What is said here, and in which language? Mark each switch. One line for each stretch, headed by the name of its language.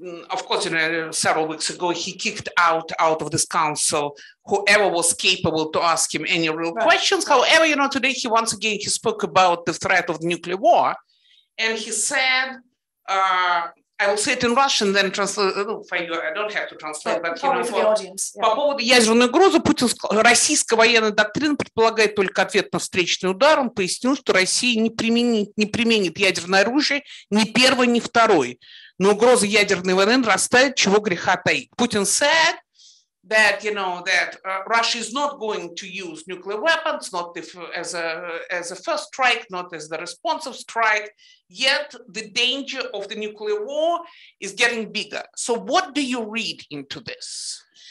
English: Of course, you know, several weeks ago, he kicked out of this council whoever was capable to ask him any real questions. However, you know, today he once again, he spoke about the threat of nuclear war. And he said, I will say it in Russian, then translate. I don't have to translate, but you know, for the audience. Yeah.
Russian: По поводу ядерной угрозы, Путин сказал, российская военная доктрина предполагает только ответ на встречный удар. Он пояснил, что Россия не применит ядерное оружие ни первой, ни второй. Но угроза ядерной войны нарастает, чего греха таить.
English: Путин said that, you know, that Russia is not going to use nuclear weapons, not if, as a first strike, not as the responsive strike. Yet the danger of the nuclear war is getting bigger. So what do you read into this?